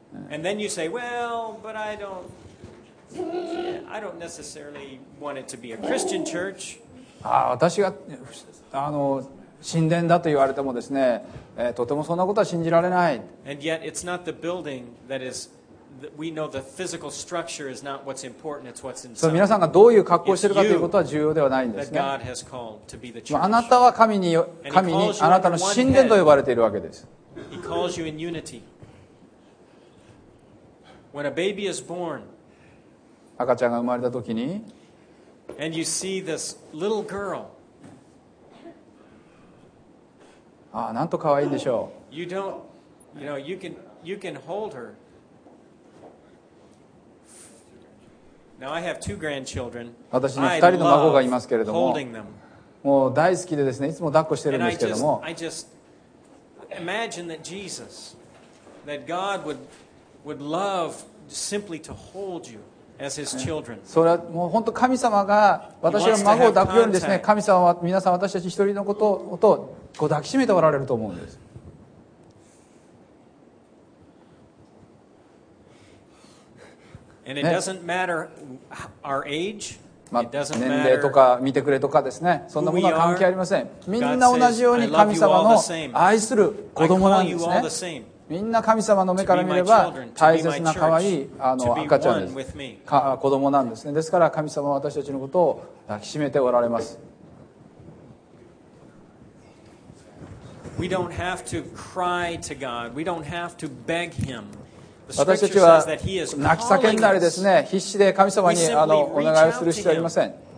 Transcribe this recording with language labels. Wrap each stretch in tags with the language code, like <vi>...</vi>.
<en>And then you say, well, but I don't necessarily want it to be a Christian church.</en> <ja>私があの神殿だと言われてもですね、とてもそんなことは信じられない。</ja> <en>And yet it's not the building that is. We know the physical structure is not what's important. It's what's inside.</en> <ja>そう、皆さんがどういう格好をしているかということは重要ではないんですね。あなたは神にあなたの神殿と呼ばれているわけです。</ja> <en>He calls you in unity. When a baby is born,</en> <ja>赤ちゃんが生まれたときに、</ja> <en>and you see this little girl.</en> <ja>ああ、なんと可愛いでしょう。</ja> <en>You don't, you know, you can hold her. Now I have two grandchildren.</en> <ja>私に2人の孫がいますけれども、もう大好きでですね、いつも抱っこしてるんですけれども。</ja> <en>I just imagine that Jesus, that God would love simply to hold you as His children.</en> <ja>それはもう本当神様が私の孫を抱くようにですね、神様は皆さん私たち一人のことをとこう抱きしめておられると思うんです。</ja> <en>And it doesn't matter our age.</en> <ja>まあ、年齢とか見てくれとかですね、そんなものは関係ありません。みんな同じように神様の愛する子供なんですね。みんな神様の目から見れば大切な可愛いあの赤ちゃんです。子供なんですね。ですから神様は私たちのことを抱きしめておられます。</ja> <en>We don't have to cry to God. We don't have to beg Him.</en> <ja>私たちは泣き叫んだりですね、必死で神様にあのお願いをする必要はありません。</ja>